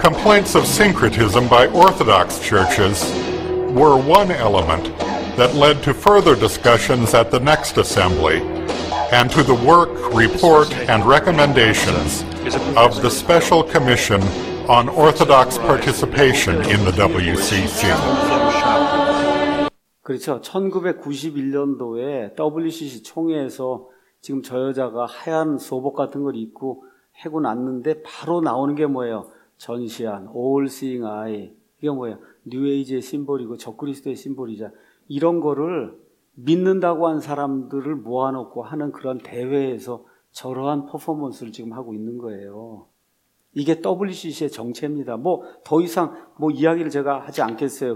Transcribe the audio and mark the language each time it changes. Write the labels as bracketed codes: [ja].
[en] Complaints of syncretism by Orthodox churches were one element that led to further discussions at the next assembly and to the work, report, and recommendations of the Special Commission on Orthodox Participation in the WCC. [ko] 그렇죠. 1991년도에 WCC 총회에서 지금 저 여자가 하얀 소복 같은 걸 입고 해고 났는데 바로 나오는 게 뭐예요? [en] 전시안, All Seeing Eye. [ko] 이게 뭐예요? 뉴에이지의 심볼이고 적그리스도의 심볼이자 이런 거를 믿는다고 한 사람들을 모아놓고 하는 그런 대회에서 저러한 퍼포먼스를 지금 하고 있는 거예요. 이게 WCC의 정체입니다. 뭐 더 이상 뭐 이야기를 제가 하지 않겠어요.